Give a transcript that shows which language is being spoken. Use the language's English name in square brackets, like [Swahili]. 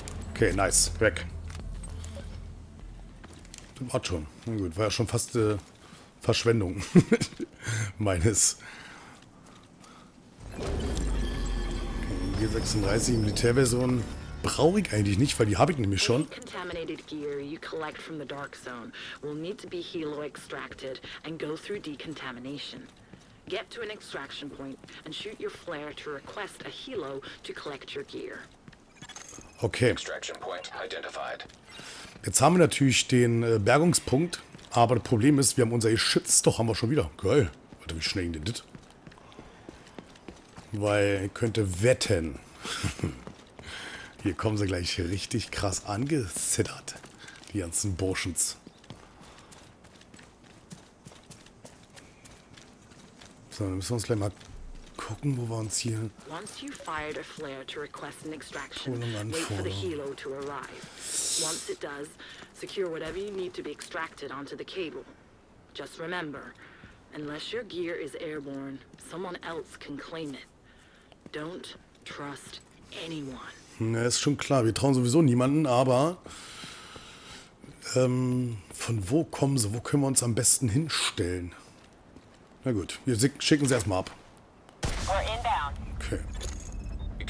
[German] Okay, nice. Weg. War schon. Na gut, war ja schon fast Verschwendung meines. G36 Militärversion brauche ich eigentlich nicht, weil die habe ich nämlich schon. [English] Contaminated gear you collect from the Dark Zone will need to be helo extracted and go through decontamination. Get to an extraction point and shoot your flare to request a helo to collect your gear. Okay. Extraction point identified. [German] Jetzt haben wir natürlich den Bergungspunkt, aber das Problem ist, wir haben unser Geschütz. Doch, haben wir schon wieder. Geil. Warte, wie schnell ging denn das? Weil, ich könnte wetten. Hier kommen sie gleich richtig krass angezittert. Die ganzen Burschens. So, dann müssen wir uns gleich mal gucken, wo wir uns hier. [English] Once you fired a flare to request an extraction, wait for the helo to arrive. Once it does, secure whatever you need to be extracted onto the cable. Just remember, unless your gear is airborne, someone else can claim it. Don't trust anyone. [German] Na, ist schon klar, wir trauen sowieso niemanden, aber von wo kommen sie? Wo können wir uns am besten hinstellen? Na gut, wir schicken sie erstmal ab. [English] We're inbound. Okay.